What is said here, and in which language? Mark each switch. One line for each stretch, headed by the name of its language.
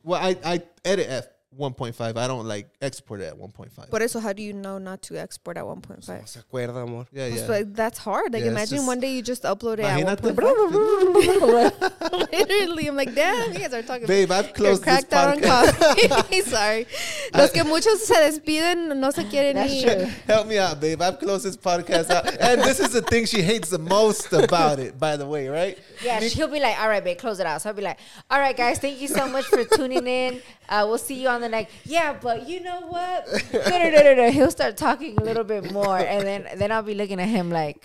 English: Well, I edit at 1.5. I don't like export it at 1.5. But how do you know not to export at 1.5?
Spanish: Se acuerda, amor.
English: Yeah. Like, that's hard. Like, yeah, imagine one day you just upload it at 1.5. Literally, I'm like, damn, you guys are talking. Babe, about I've closed this podcast. You're cracked out on coffee. Sorry.
Spanish: Los que muchos se despiden no se quieren ir.
English: Help me out, babe. I've closed this podcast out. And this is the thing she hates the most about it, by the way, right? Yeah, she'll be like, all right, babe, close it out. So I'll be like, all right, guys, thank you so much for tuning in. We'll see you on the next. Yeah, but you know what? No. He'll start talking a little bit more, and then I'll be looking at him like.